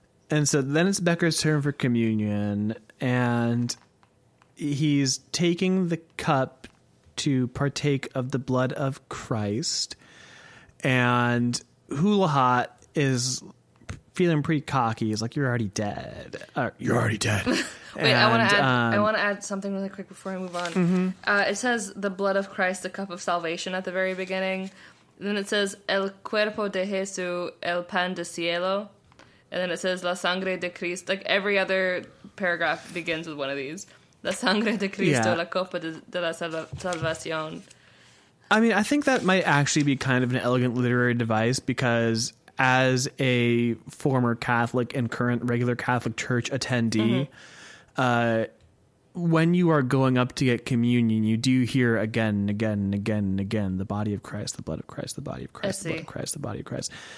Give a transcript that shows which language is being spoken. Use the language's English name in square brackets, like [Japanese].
[English] And so then it's Becker's turn for communion and he's taking the cup to partake of the blood of Christ. And Houlihat is feeling pretty cocky. He's like, you're already dead. You're already dead. Wait, and, I want to add something really quick before I move on. Mm-hmm. It says the blood of Christ, the cup of salvation at the very beginning. And then it says [Spanish] el cuerpo de Jesús, el pan de cielo. [English] And then it says [Spanish] la sangre de Cristo. [English] Like every other paragraph begins with one of these. [Spanish] La sangre de Cristo, la copa de la salvación. [English] I mean, I think that might actually be kind of an elegant literary device because as a former Catholic and current regular Catholic Church attendee, when you are going up to get communion, you do hear again and again and again and again, the body of Christ, the blood of Christ, the body of Christ, the blood of Christ, the body of Christ.